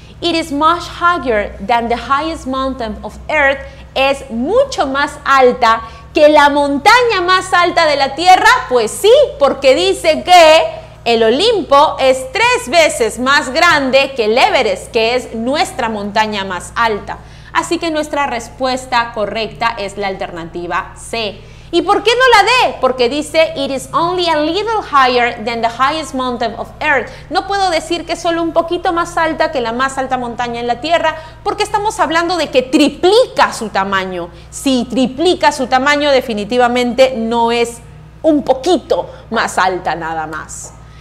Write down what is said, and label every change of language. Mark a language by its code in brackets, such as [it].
[en] It is much higher than the highest mountain of Earth. [es] Es mucho más alta que la montaña más alta de la Tierra. Pues sí, porque dice que el Olimpo es 3 veces más grande que el Everest, que es nuestra montaña más alta. Así que nuestra respuesta correcta es la alternativa C. ¿Y por qué no la D? Porque dice, [en] it is only a little higher than the highest mountain of Earth. [es] No puedo decir que es solo un poquito más alta que la más alta montaña en la Tierra, porque estamos hablando de que triplica su tamaño. Si triplica su tamaño, definitivamente no es un poquito más alta nada más.